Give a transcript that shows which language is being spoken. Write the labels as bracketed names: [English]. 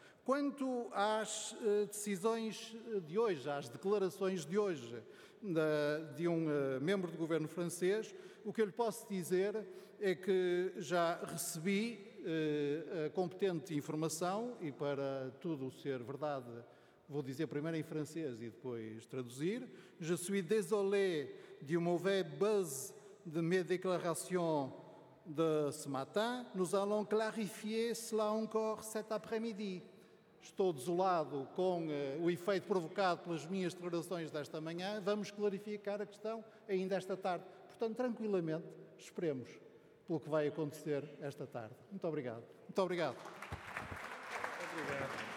[Portuguese] Quanto às decisões de hoje, às declarações de hoje de um membro do governo francês, o que eu lhe posso dizer é que já recebi a competente informação e, para tudo ser verdade, vou dizer primeiro em francês e depois traduzir. [French] Je suis désolé de mauvais buzz de mes déclarations de ce matin. Nous allons clarifier cela encore cet après-midi. [Portuguese] Estou desolado com o efeito provocado pelas minhas declarações desta manhã. Vamos clarificar a questão ainda esta tarde. Portanto, tranquilamente, esperemos pelo que vai acontecer esta tarde. Muito obrigado. Muito obrigado. Obrigado.